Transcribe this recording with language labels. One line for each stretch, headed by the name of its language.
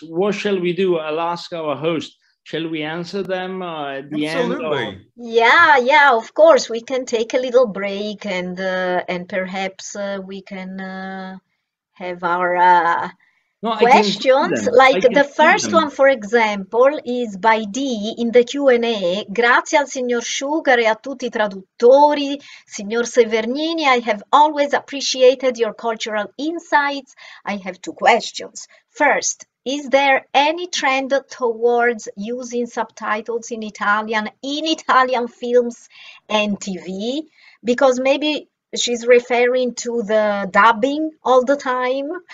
English: What shall we do? I'll ask our host. Shall we answer them at the Absolutely. End? Absolutely. Yeah, of course. We can take a little break and perhaps we can have our questions. Like the first one, for example, is by D in the Q&A.
Italian: Grazie al signor Shugaar e a tutti i traduttori.
English: Signor Severgnini, I have always appreciated your cultural insights. I have two questions. First, is there any trend towards using subtitles in Italian films and TV? Because maybe she's referring to the dubbing all the time.